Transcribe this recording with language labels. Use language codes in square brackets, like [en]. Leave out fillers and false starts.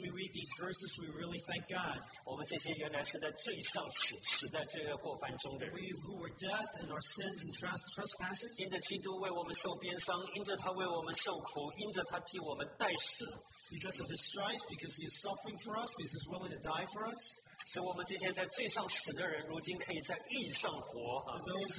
[en] we read these verses, we really thank God. [zh] 我们这些原来是在罪上死，死在罪恶过犯中的人。 [en] We who were death in our sins and trespasses. [zh] 因着基督为我们受鞭伤，因着他为我们受苦，因着他替我们代死。 [en] Because of his stripes, because he is suffering for us, because he is willing to die for us. [zh] 使我们这些在罪上死的人，如今可以在义上活。 [en] Those